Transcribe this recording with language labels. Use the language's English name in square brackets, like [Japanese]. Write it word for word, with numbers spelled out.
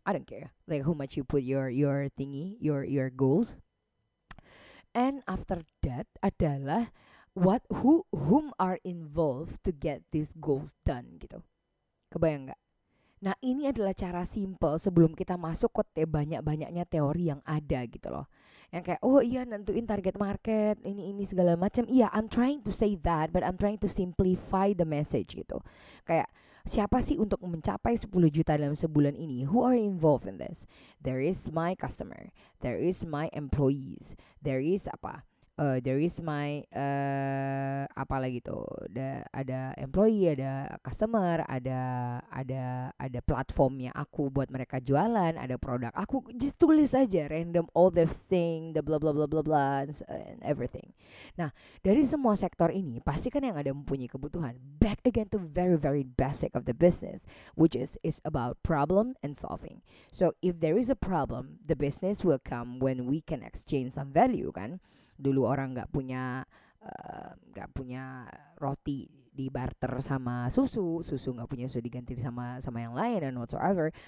[English] I don't care like how much you put your your thingy, your your goals. And after that adalah what who whom are involved to get these goals done gitu. [Indonesian] Kebayang nggak? Nah, ini adalah cara simple sebelum kita masuk ke te- banyak-banyaknya teori yang ada gitu loh. Yang kayak, oh iya nentuin target market, ini-ini segala macam. [English] Iya, I'm trying to say that, but I'm trying to simplify the message gitu. [Indonesian] Kayak, siapa sih untuk mencapai sepuluh juta dalam sebulan ini? [English] Who are involved in this? There is my customer. There is my employees. There is [Indonesian] apa? Eh, [English] there is my [Indonesian] eh apa lagi tuh, ada ada employee, ada customer, ada ada ada platformnya aku buat mereka jualan, ada produk aku, just tulis aja random [English] all the thing, the blah blah blah blah blah and s- and everything. [Indonesian] Nah, dari semua sektor ini pasti kan yang ada mempunyai kebutuhan. [English] Back again to very very basic of the business, which is is about problem and solving. So if there is a problem, the business will come when we can exchange some value kan. [Indonesian] Dulu orang nggak punya eh, nggak punya roti di barter sama susu, susu nggak punya susu diganti sama sama yang lain [English] and whatsoever.